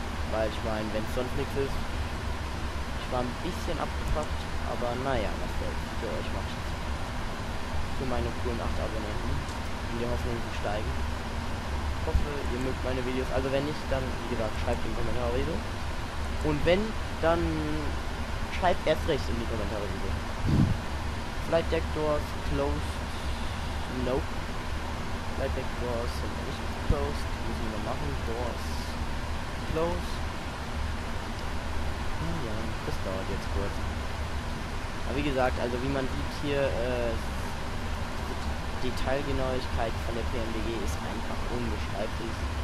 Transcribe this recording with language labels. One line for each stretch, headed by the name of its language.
German: Weil ich meine, wenn es sonst nichts ist, ich war ein bisschen abgefuckt, aber naja, was soll's. Für euch mache ich das. Für meine coolen 8 Abonnenten. In der Hoffnung, sie steigen. Ich hoffe, ihr mögt meine Videos. Also wenn nicht, dann wie gesagt, schreibt in Kommentare wieder. Und wenn, dann schreibt erst recht in die Kommentare wieder.
English: Flight Deck Doors closed. Nope.
German: Flight Deck Doors sind nicht closed. Müssen wir machen.
English: Doors closed.
German: Ja, ja, das dauert jetzt kurz. Aber wie gesagt, also wie man sieht hier, die Teilgenauigkeit von der PMDG ist einfach unbeschreiblich.